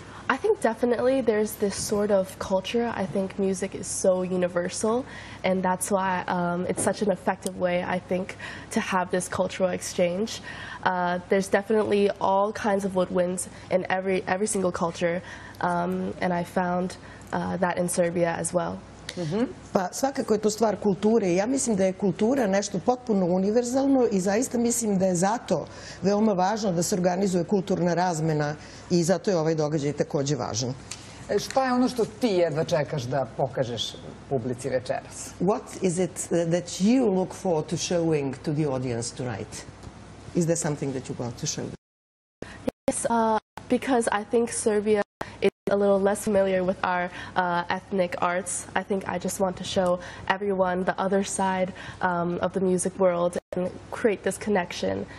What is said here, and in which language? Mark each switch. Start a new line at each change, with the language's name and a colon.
English: I think definitely there's this sort of culture. I think music is so universal, and that's why it's such an effective way, I think, to have this cultural exchange. There's definitely all kinds of woodwinds in every single culture, and I found that in Serbia as well.
Serbian: Pa svakako je to stvar kulture. Ja mislim da je kultura nešto potpuno univerzalno i zaista mislim da je zato veoma važno da se organizuje kulturna razmena, i zato je ovaj događaj takođe važan. Šta je ono što ti jedva čekaš da pokažeš publici večeras?
English: What is it that you look for to showing to the audience tonight? Is there something that you want to show? Yes, because I think Serbia a little less familiar with our ethnic arts. I think I just want to show everyone the other side of the music world and create this connection.